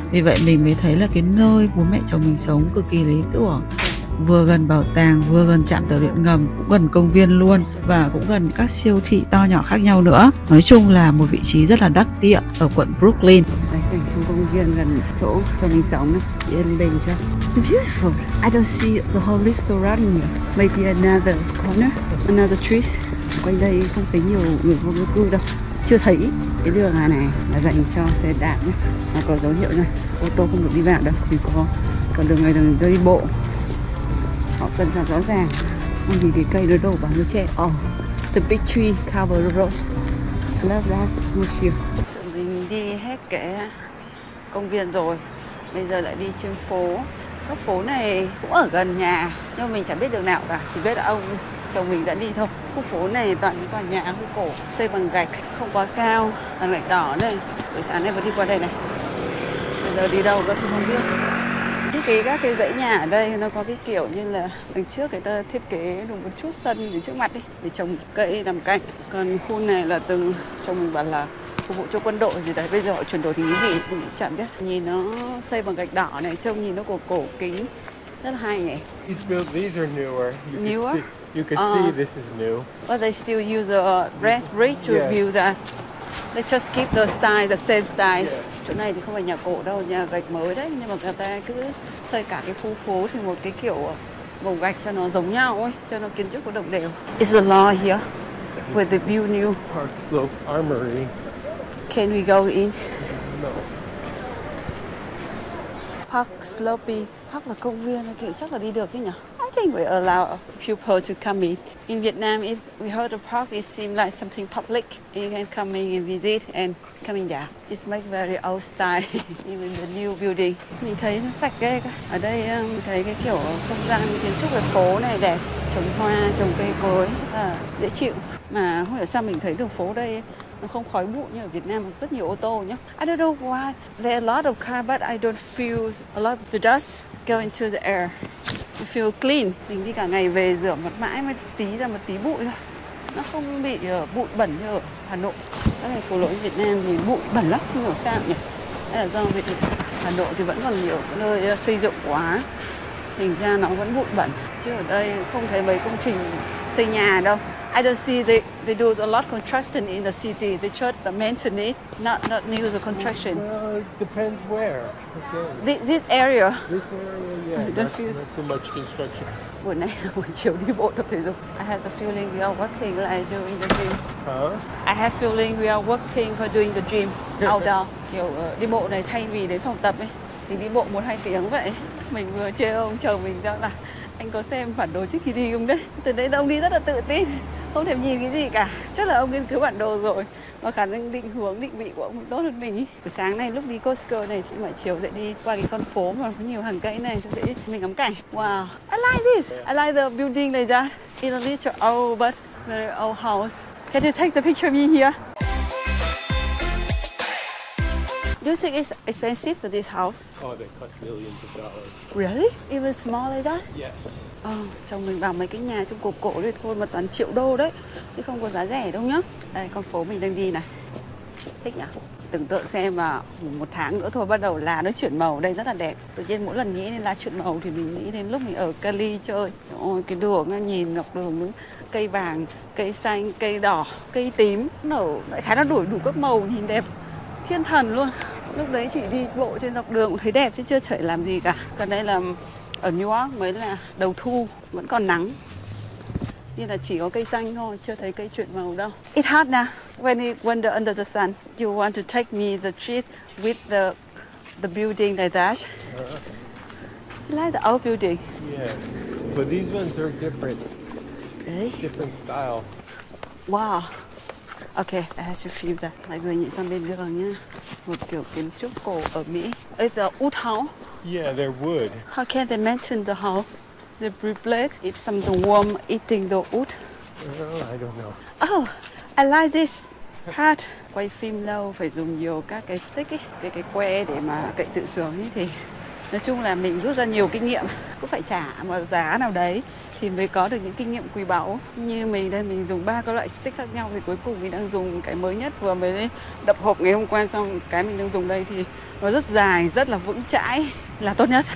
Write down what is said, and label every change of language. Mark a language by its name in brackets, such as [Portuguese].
[Vietnamese] Vì vậy mình mới thấy là cái nơi bố mẹ chồng mình sống cực kỳ lý tưởng, vừa gần bảo tàng, vừa gần trạm tàu điện ngầm, cũng gần công viên luôn, và cũng gần các siêu thị to nhỏ khác nhau nữa. Nói chung là một vị trí rất là đắc địa ở quận Brooklyn. Đây, gần trong công viên, gần chỗ cho mình sống, yên bình cho. [English] Beautiful. I don't see the whole leaves surrounding you. Maybe another corner, another tree. [Vietnamese] Quanh đây không thấy nhiều người vô cư đâu. Chưa thấy cái đường này là dành cho xe đạp nhé. Nó có dấu hiệu này, ô tô không được đi vào đâu, chỉ có còn đường này đường đi bộ. Họ phân ra rõ ràng. Không nhìn cái cây nó đổ bằng nó che. [English] Oh, the big tree cover the road. Let's ask with you. [Vietnamese] Mình đi hết cái công viên rồi, bây giờ lại đi trên phố. Các phố này cũng ở gần nhà, nhưng mình chẳng biết đường nào cả. Chỉ biết là ông chồng mình đã đi thôi. Khu phố này toàn những tòa nhà khu cổ xây bằng gạch, không quá cao, toàn gạch đỏ đây. Buổi sáng em vừa đi qua đây này. Bây giờ đi đâu nữa thì không biết. Thiết kế các cái dãy nhà ở đây nó có cái kiểu như là đằng trước người ta thiết kế được một chút sân để trước mặt đi để trồng cây nằm cạnh. Còn khu này là từng chồng mình bảo là phục vụ cho quân đội gì đấy, bây giờ họ chuyển đổi thành cái gì cũng chẳng biết. Nhìn nó xây bằng gạch đỏ này, trông nhìn nó cổ kính, rất là hay nhỉ. [English] These buildings are newer. Newer? You can see this is new. But they still use a red brick to build that. They just keep the style, the same style. Chỗ này thì không phải nhà cổ đâu, nhà gạch mới đấy. Nhưng mà người ta cứ xây cả cái khu phố thì một cái kiểu màu gạch cho nó giống nhau ấy, cho nó kiến trúc có đồng đều. It's a law here, where they build new Park Slope Armory. Can we go in? No. [Vietnamese] Park Slope, Park là công viên, kiểu chắc là đi được ấy nhỉ? [English] I think we allow people to come in. In Vietnam, if we heard a park, it seems like something public. You can come in and visit and come in there. It's made very old style, even the new building. [Vietnamese] Mình thấy nó sạch ghê cơ. Ở đây mình thấy cái kiểu không gian kiến trúc về phố này đẹp. Trồng hoa, trồng cây cối, dễ chịu. Mà không hiểu sao mình thấy đường phố đây nó không khói bụi như ở Việt Nam, rất nhiều ô tô nhá. [English] I don't know why there are a lot of cars, but I don't feel a lot of the dust going to the air. I feel clean. [Vietnamese] Mình đi cả ngày về rửa mặt mãi mới tí ra một tí bụi thôi. Nó không bị bụi bẩn như ở Hà Nội. Các thành phố lớn Việt Nam thì bụi bẩn lắm, không hiểu sao nhỉ. Đây là do vì Hà Nội thì vẫn còn nhiều nơi xây dựng quá, thành ra nó vẫn bụi bẩn. Chứ ở đây không thấy mấy công trình xây nhà đâu. [English] I don't see they do a lot of construction in the city. They just the maintenance, not new the construction. Depends where. This area. This area, yeah. Not so much construction. [Vietnamese] Buổi nay là buổi chiều đi bộ tập thể dục. [English] I have the feeling we are working like doing the gym. Huh? I have feeling we are working for doing the gym outdoor. [Vietnamese] Kiểu đi bộ này thay vì đến phòng tập ấy, thì đi bộ 1-2 tiếng vậy. Mình vừa chê ông chồng mình đó là anh có xem bản đồ trước khi đi không đấy? Từ đấy ông đi rất là tự tin, không thèm nhìn cái gì cả. Chắc là ông nghiên cứu bản đồ rồi. Mà khả năng định hướng, định vị của ông cũng tốt hơn mình ý. Buổi sáng này lúc đi Costco này thì mọi chiều dậy đi qua cái con phố mà có nhiều hàng cây này cho dễ mình ngắm cảnh. [English] Wow, I like this. I like the building like that. It's a little old but very old house. Can you take the picture of me here? Do you think it's expensive for this house? Oh, they cost millions of dollars. Really? Even smaller than? Yes. [Vietnamese] Oh, chồng mình bảo mấy cái nhà trong cổ cổ đấy thôi mà toàn triệu đô đấy, chứ không có giá rẻ đâu nhá. Đây, con phố mình đang đi này. Thích nhỉ? Tưởng tượng xem mà một tháng nữa thôi bắt đầu lá nó chuyển màu, đây rất là đẹp. Tự nhiên mỗi lần nghĩ đến lá chuyển màu thì mình nghĩ đến lúc mình ở Cali chơi. Ôi, cái đường nhìn ngọc đường, cây vàng, cây xanh, cây đỏ, cây tím, nó lại khá là đổi đủ các màu, nhìn đẹp thiên thần luôn. Lúc đấy chỉ đi bộ trên dọc đường cũng thấy đẹp chứ chưa chạy làm gì cả. Còn đây là ở New York mới là đầu thu, vẫn còn nắng. Như là chỉ có cây xanh thôi, chưa thấy cây chuyển màu đâu. [English] It's hot now. When you wander under the sun, you want to take me the street with the building like that? You like the old building? Yeah, but these ones are different. Really? Different style. Wow. Okay, I have to feel that. [Vietnamese] Mọi người nhìn sang bên đường nhé. Một kiểu kiến trúc cổ ở Mỹ. [English] It's a wood house. Yeah, they're wood. How can they mention the house? The bricklayer eat some the worm eating the wood. I don't know. Oh, I like this hat. [Vietnamese] Quay phim lâu phải dùng nhiều các cái stick ấy, cái que để mà cậy tự sướng ấy, thì nói chung là mình rút ra nhiều kinh nghiệm. Cứ phải trả một giá nào đấy thì mới có được những kinh nghiệm quý báu. Như mình đây, mình dùng ba cái loại stick khác nhau thì cuối cùng mình đang dùng cái mới nhất, vừa mới đập hộp ngày hôm qua xong, cái mình đang dùng đây thì nó rất dài, rất là vững chãi, là tốt nhất.